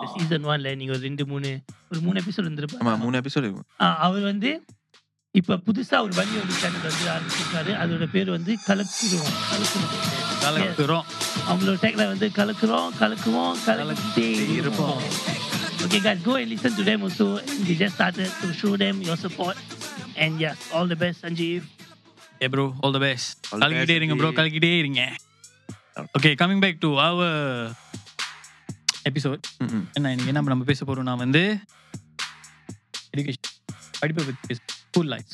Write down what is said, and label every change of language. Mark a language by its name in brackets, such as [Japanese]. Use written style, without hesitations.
[Tamil] Season 1ல நீங்க ஒரு 2-3 ஒரு 3 எபிசோட் இருந்திருப்பா. ஆமா, 3 எபிசோட். அவர் வந்து இப்ப புதுசா ஒரு வண்டி ஒரு சேனல் வந்து ஆரம்பிச்சிருக்காரு, அதோட பேர் வந்து கலக்குறோம். கலக்குறோம், அவங்களோட டேக்ல வந்து கலக்குறோம், கலக்குவோம், கலக்கிட்டே இருப்போம். [English] Okay guys, go and listen to them also. We just started to show them your support. And yeah, all the best, Sanjeev. Yeah bro, all the best. [Tamil] கலக்கிட்டே இருங்க bro, கலக்கிட்டே இருங்க. [English] Okay, coming back to our episode. [Tamil] என்ன பேச போறோம்னா வந்து education, படிப்பை பத்தி, school life,